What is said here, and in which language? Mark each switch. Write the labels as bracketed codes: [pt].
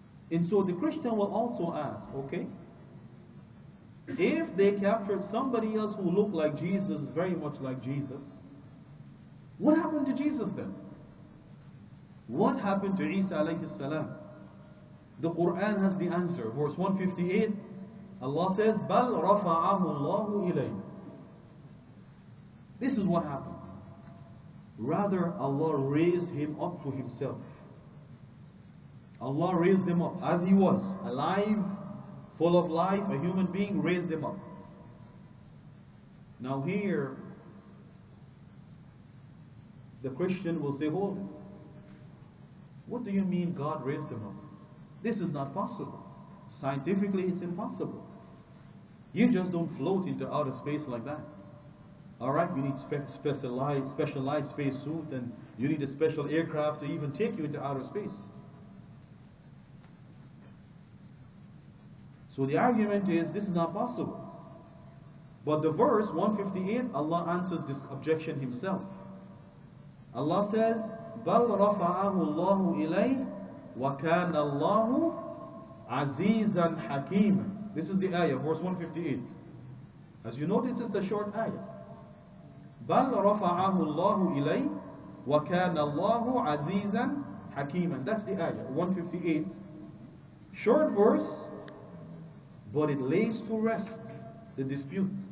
[en] And so the Christian will also ask, okay, if they captured somebody else who looked like Jesus, very much like Jesus, what happened to Jesus then? What happened to Isa alayhi salam? The Quran has the answer. Verse 158, Allah says, [ar] بَلْ رَفَعَهُ اللَّهُ إِلَيْهِ. [en] This is what happened. Rather, Allah raised him up to himself. Allah raised him up as he was, alive, full of life, a human being, raised him up. Now here, the Christian will say, hold it. What do you mean God raised him up? This is not possible. Scientifically, it's impossible. You just don't float into outer space like that. Alright, you need specialized space suit and you need a special aircraft to even take you into outer space. So the argument is, this is not possible. But the verse 158, Allah answers this objection himself. Allah says, [ar] بَلْ رَفَعَهُ اللَّهُ إِلَيْهِ وَكَانَ اللَّهُ عَزِيزًا حَكِيمًا. [en] This is the ayah, verse 158. As you notice, it's a short ayah. [ar] بَلْ رَفَعَهُ اللَّهُ إِلَيْهِ وَكَانَ اللَّهُ عَزِيزًا حَكِيمًا. [en] That's the ayah, 158. Short verse, but it lays to rest the dispute.